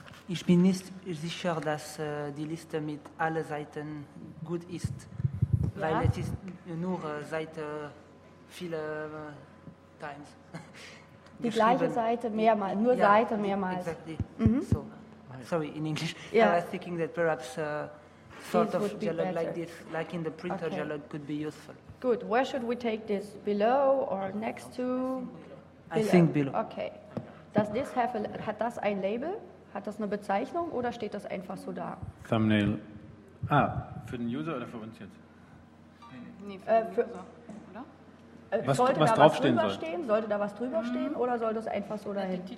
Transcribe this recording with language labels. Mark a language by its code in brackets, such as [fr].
[de] Ich bin nicht sicher, dass die Liste mit allen Seiten gut ist, ja. weil es ist nur Seite viele Times. Die gleiche Seite mehrmals, nur ja, Seite mehrmals. [en] Exactly. Mhm. So, sorry, in English. Yeah. I was thinking that perhaps sort of dialogue like this, like in the printer okay. dialogue, could be useful. Good. Where should we take this? Below or next to? I think below. Okay. Does this have a, [de] hat das ein Label? Hat das eine Bezeichnung oder steht das einfach so da? [en] Thumbnail. [de] Ah, für den User oder für uns jetzt? Nee, für den User. Was draufstehen soll. Sollte da was drüber stehen oder soll das einfach so dahin?